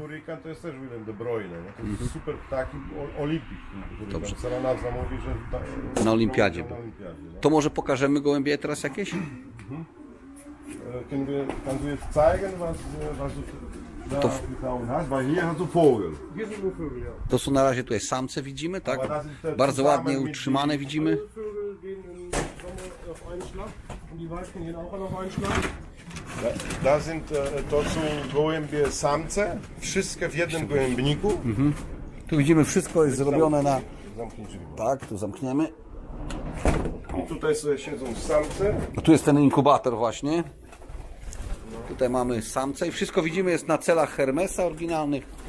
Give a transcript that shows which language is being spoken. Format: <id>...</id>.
<pl>Hurrican to jest też Willem de Bruyne. No, to jest super ptaki Olympic. Dobrze. Cała nazwa mówi, że na Olimpiadzie. Na Olimpiadzie, no. To może pokażemy gołębie teraz jakieś?</pl> <de>Kannst du jetzt zeigen, was du da getaucht hast? Weil hier hast du Vogel. Hier sind nur Vögel, ja.</de> <pl>To są na razie tutaj samce widzimy, tak? Bardzo ładnie utrzymane widzimy.</pl> <de>Vögel gehen im Sommer auf einen Schlag und die Weibchen gehen auch noch auf einen Schlag. Da sind</de> <pl>to są gołębie samce, wszystkie w jednym gołębniku. Tu widzimy, wszystko jest zrobione na... Tak, tu zamkniemy. I tutaj sobie siedzą samce. No tu jest ten inkubator właśnie. No. Tutaj mamy samce i wszystko widzimy jest na celach Hermesa oryginalnych.</pl>